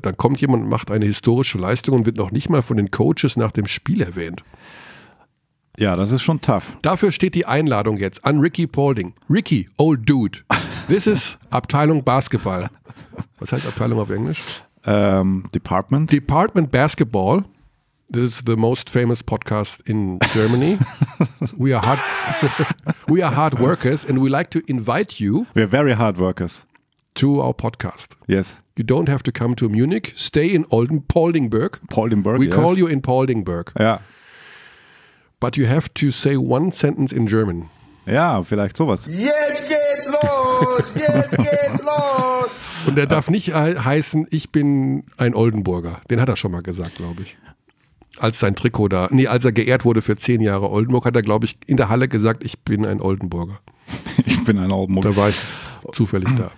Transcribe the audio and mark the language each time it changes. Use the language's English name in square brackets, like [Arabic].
[German] Dann kommt jemand und macht eine historische Leistung und wird noch nicht mal von den Coaches nach dem Spiel erwähnt. Ja, das ist schon tough. Dafür steht die Einladung jetzt an Ricky Paulding. Ricky, [English] old dude, this is [German] Abteilung Basketball. Was heißt Abteilung auf Englisch? [English] Department. Department Basketball. This is the most famous podcast in Germany. We are hard workers and we like to invite you. We are very hard workers. To our podcast. Yes. You don't have to come to Munich. Stay in Paulding-Burg. We call you in Paulding-Burg. Yeah. But you have to say one sentence in German. [German] Ja, vielleicht sowas. Jetzt geht's los! Und er darf nicht heißen, ich bin ein Oldenburger. Den hat er schon mal gesagt, glaube ich. Als er geehrt wurde für 10 Jahre Oldenburg, hat er, glaube ich, in der Halle gesagt, ich bin ein Oldenburger. Ich bin ein Oldenburger. Da war ich zufällig da.